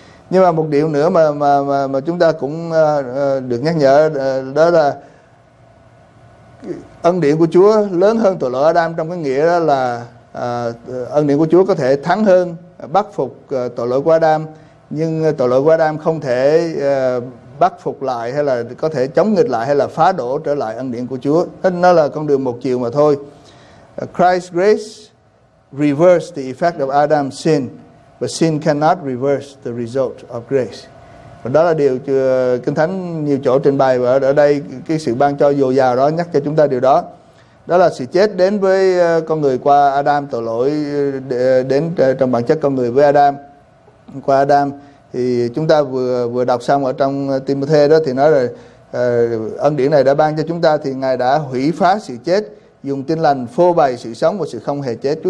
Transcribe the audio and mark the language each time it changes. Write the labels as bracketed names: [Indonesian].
[Vietnamese] Nhưng mà một điều nữa mà chúng ta cũng được nhắc nhở, đó là ân điển của Chúa lớn hơn tội lỗi Adam, trong cái nghĩa đó là ân điển của Chúa có thể thắng hơn, bắt phục tội lỗi của Adam, nhưng tội lỗi của Adam không thể bắt phục lại, hay là có thể chống nghịch lại, hay là phá đổ trở lại ân điển của Chúa. Nó là con đường một chiều mà thôi. [English] Christ's grace reverses the effect of Adam's sin, but sin cannot reverse the result of grace. [Vietnamese] Và đó là điều Kinh Thánh nhiều chỗ trình bày, và ở đây cái sự ban cho dồi dào đó nhắc cho chúng ta điều đó. Đó là sự chết đến với con người qua Adam, tội lỗi đến trong bản chất con người với Adam, qua Adam. Thì chúng ta vừa đọc xong ở trong Timôthê đó thì nói là ân điển này đã ban cho chúng ta thì Ngài đã hủy phá sự chết, dùng tin lành phô bày sự sống và sự không hề chết.